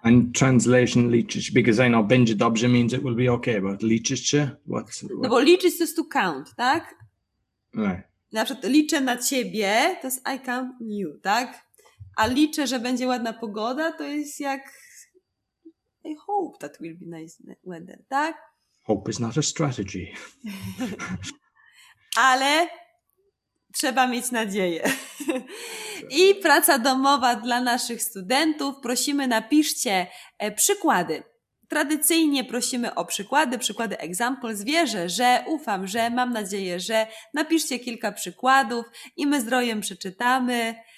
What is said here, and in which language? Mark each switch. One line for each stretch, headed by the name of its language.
English: And translation liczyć, because I know,
Polish: będzie dobrze
English: means it will be okay, but
Polish: liczyć się?
English: What?
Polish: No bo liczyć to jest
English: to count,
Polish: tak? Nie. Na przykład liczę na ciebie, to jest
English: I count you,
Polish: tak? A liczę, że będzie ładna pogoda, to jest jak...
English: I hope that will be nice weather, tak? Hope is not a strategy.
Polish: Ale trzeba mieć nadzieję. I praca domowa dla naszych studentów. Prosimy, napiszcie przykłady. Tradycyjnie prosimy o przykłady, przykłady examples. Wierzę, że, ufam, że, mam nadzieję, że. Napiszcie kilka przykładów i my z Rojem przeczytamy.